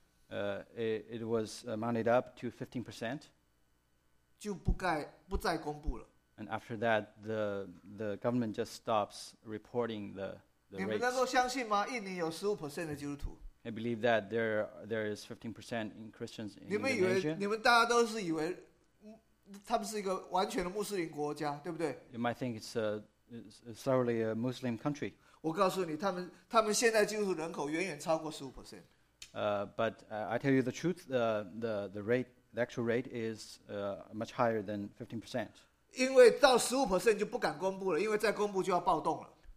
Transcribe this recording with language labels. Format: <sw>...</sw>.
<en>It was mounted up to 15%.</en> <zh>就不再公布了。</zh> <en>And after that, the government just stops reporting the the rates.</en> <zh>你们能够相信吗？印尼有 15% 的基督徒。</zh> <en>I believe that there is 15% in Christians in Indonesia.</en> <zh>你们大家都是以为他们是一个完全的穆斯林国家，对不对？</zh> <en>You might think it's thoroughly a Muslim country.</en> <zh>我告诉你，他们现在基督徒人口远远超过 15%。</zh> <en>But I tell you the truth, the rate, the actual rate is much higher than 15%.</en> <zh>因为到 15% 就不敢公布了，因为再公布就要暴动了。</zh>